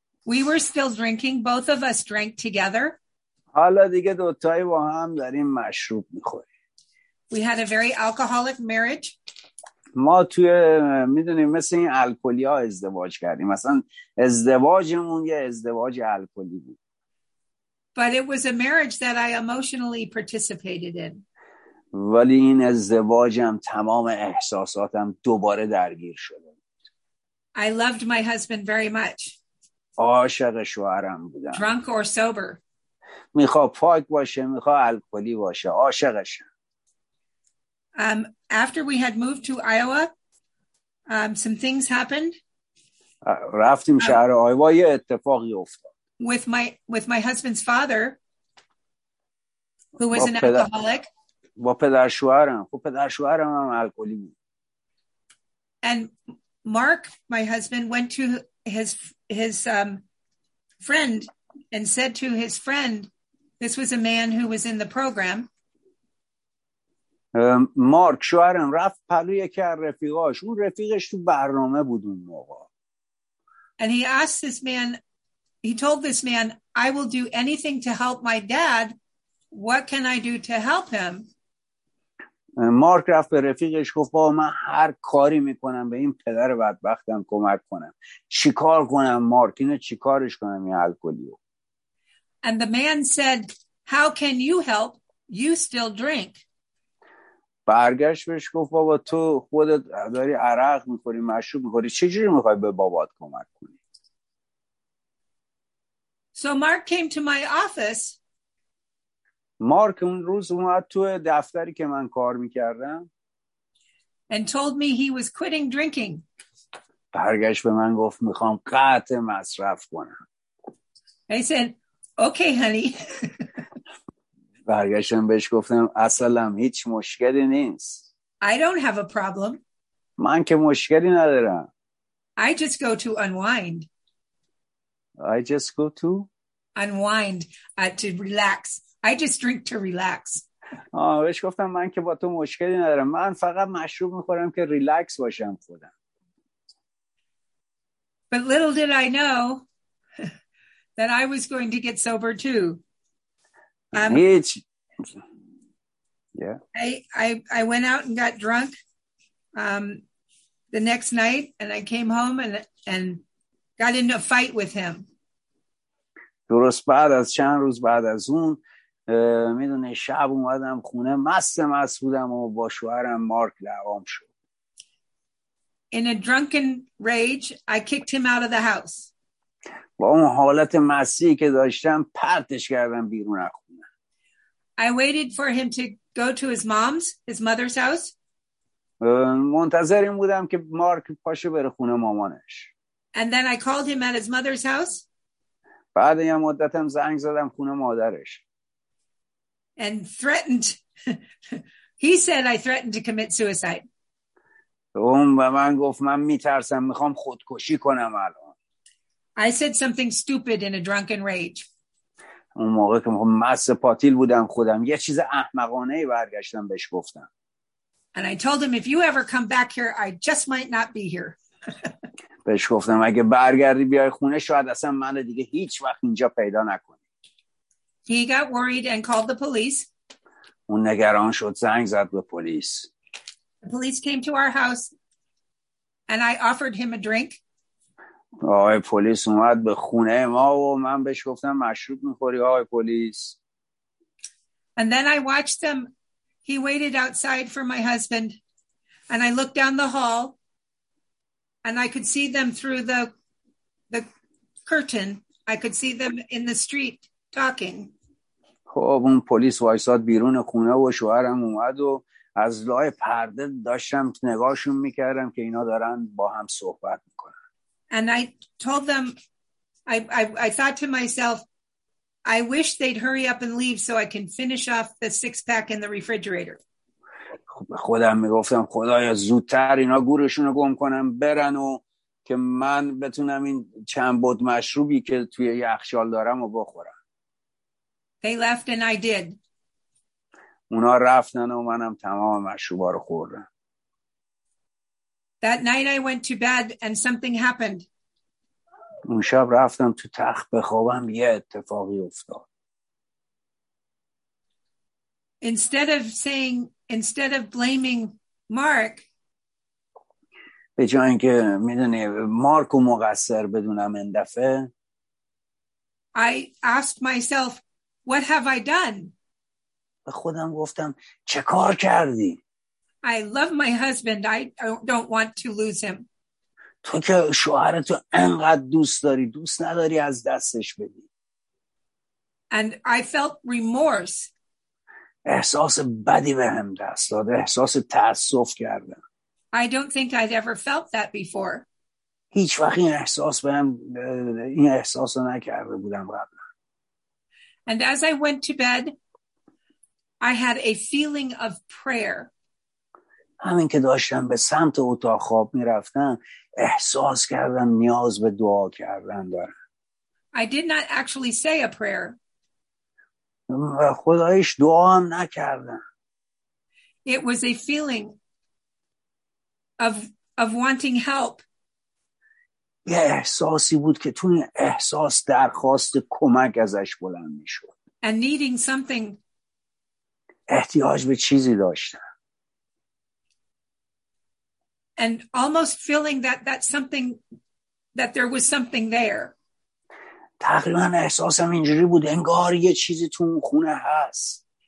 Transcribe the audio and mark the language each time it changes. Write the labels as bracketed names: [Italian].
[English] We were still drinking. Both of us drank together. [Persian] حالا دیگه دوتایی با هم داریم مشروب میخوریم. [English] We had a very alcoholic marriage. [Persian] ما توی میدونیم مثل این الکلی ها ازدواج کردیم. مثلا ازدواجمون یه ازدواج الکلی بود. [English] But it was a marriage that I emotionally participated in. [Persian] ولی این ازدواجم تمام احساساتم دوباره درگیر شده. [English] I loved my husband very much. [Persian] عاشق شوهرم بودم. [English] Drunk or sober. [Persian] میخوا پاک باشه میخوا الکلی باشه عاشقشم. [English] After we had moved to Iowa, some things happened. [Persian] رفتیم شهر آیوا یه اتفاقی افتاد. [English] With my husband's father, who was an alcoholic. [Persian] با پدر شوهرم. خب پدر شوهرم هم الکلی بود. [English] And Mark, my husband, went to his friend and said to his friend, this was a man who was in the program. [Persian] مارک شوهرم رفت پلوی یکی از رفیقاش. اون رفیقش تو برنامه بود اون موقع. [English] And he asked this man, he told this man, I will do anything to help my dad. What can I do to help him? [Persian] مارک رفت به رفیقش گفت بابا من هر کاری میکنم به این پدر بدبختم کمک کنم. چیکار کنم مارک؟ اینو چیکارش کنم این الکلیو؟ [English] And the man said, how can you help? You still drink. [Persian] برگشت بهش گفت بابا تو خودت داری عرق میخوری مشروب میخوری چجوری میخوای به بابات کمک کنی؟ [English] So Mark came to my office. [Persian] Mark اون روز اومد تو دفتری که من کار میکردم. [English] And told me he was quitting drinking. [Persian] برگشت به من گفت میخوام قطع مصرف کنم. [English] I said, okay, honey. [Persian] برگشتم بهش گفتم اصلا هیچ مشکلی نیست. [English] I don't have a problem. [Persian] من که مشکلی ندارم. [English] I just go to unwind. I just go to unwind to relax. I just drink to relax. [Persian] بهش گفتم من که با تو مشکلی ندارم. من فقط مشروب میخورم که ریلکس باشم خودم. [English] But little did I know that I was going to get sober too. I went out and got drunk the next night and I came home and got into a fight with him. [Persian] درست بعد از چند روز بعد از اون میدونه شب اومدم خونه مست بودم و با شوهرم مارک دعوام شد. [English] In a drunken rage, I kicked him out of the house. [Persian] با اون حالت مستی که داشتم پرتش کردم بیرون از خونه. [English] I waited for him to go to his mother's house. [Persian] منتظر این بودم که مارک پاشه بره خونه مامانش. [English] And then I called him at his mother's house. [Persian] بعد یه مدت هم زنگ زدم خونه مادرش. [English] And threatened. He said I threatened to commit suicide. [Persian] اون به من گفت من میترسم میخوام خودکشی کنم الان. [English] I said something stupid in a drunken rage. [Persian] اون موقع که مست پاتیل بودم خودم یه چیز احمقانه ای برگشتم بهش گفتم. [English] And I told him if you ever come back here I just might not be here. [Persian] بهش گفتم اگه برگردی بیای خونه شاید اصلا من دیگه هیچ وقت اینجا پیدا نکنی. [English] He got worried and called the police. [Persian] اون نگران شد زنگ زد به پلیس. [English] The police came to our house and I offered him a drink. [Persian] آقای پلیس اومد به خونه ما و من بهش گفتم مشروب میخوری آقای پلیس. [English] And then I watched them. He waited outside for my husband and I looked down the hall. And I could see them through the curtain. I could see them in the street talking. [Persian] خب اون پلیس وایساد بیرون خونه و شوهرم اومد و از لای پرده داشتم نگاهشون میکردم که اینا دارن با هم صحبت میکنن. [English] And I told them, I thought to myself, I wish they'd hurry up and leave so I can finish off the six pack in the refrigerator. [Persian] خودم میگفتم خدایا زودتر اینا گورشون رو گم کنم برن و که من بتونم این چند بود مشروبی که توی یخچال دارم رو بخورم. [English] They left and I did. [Persian] اونا رفتن و منم تمام مشروبا رو خوردم. [English] That night I went to bed and something happened. [Persian] اون شب رفتم تو تخت بخوابم یه اتفاقی افتاد. [English] Instead of blaming Mark, [Persian] به جای اینکه میدونی مارک رو مقصر بدونم این دفعه, [English] I asked myself, what have I done? [Persian] به خودم گفتم چه کار کردی؟ [English] I love my husband. I don't want to lose him. [Persian] تو که شوهرتو انقدر دوست داری, دوست نداری از دستش بدی. [English] And I felt remorse. [Persian] احساس بدی به هم دست داد, احساس تأسف کردم. [English] I don't think I'd ever felt that before. [Persian] هیچ وقت این احساس به هم, این احساس رو نکرده بودم قبلا. [English] And as I went to bed, I had a feeling of prayer. [Persian] همین که داشتم به سمت اتاق خواب میرفتم, احساس کردم نیاز به دعا کردن دارم. [English] I did not actually say a prayer. [Persian] خدایش دعا هم نکردم. [English] It was a feeling of wanting help. [Persian] یه احساسی بود که تو این احساس درخواست کمک ازش بلند میشد. [English] And needing something. [Persian] احتیاج به چیزی داشتم. [English] And almost feeling that something, that there was something there. [Persian] تقریبا احساسم اینجوری بود, انگار یه چیزی تو اون خونه هست.